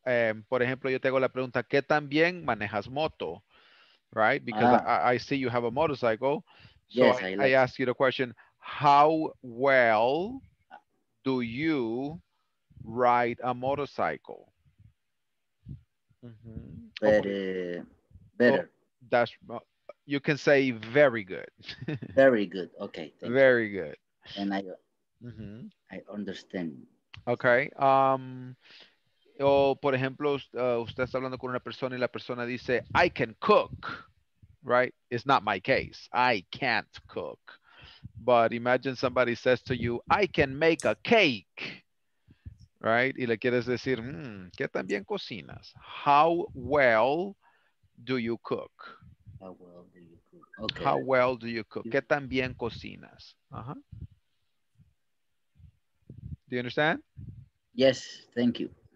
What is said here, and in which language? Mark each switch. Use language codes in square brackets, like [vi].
[es] Por ejemplo, yo tengo la pregunta, ¿qué tan bien manejas moto? [en] Right? Because I see you have a motorcycle. So yes, I ask you the question, how well do you ride a motorcycle? Mm-hmm. Better. Oh, that's, you can say very good. Very good. Okay. Very good. And I understand. Okay. [es] O por ejemplo, usted está hablando con una persona y la persona dice, [en] I can cook. Right? It's not my case. I can't cook. But imagine somebody says to you, I can make a cake, right? [es] Y le quieres decir, ¿qué tan bien cocinas? [en] How well do you cook? How well do you cook? Okay. How well do you cook? [es] ¿Qué tan bien cocinas? [en] Uh-huh. Do you understand? Yes, thank you.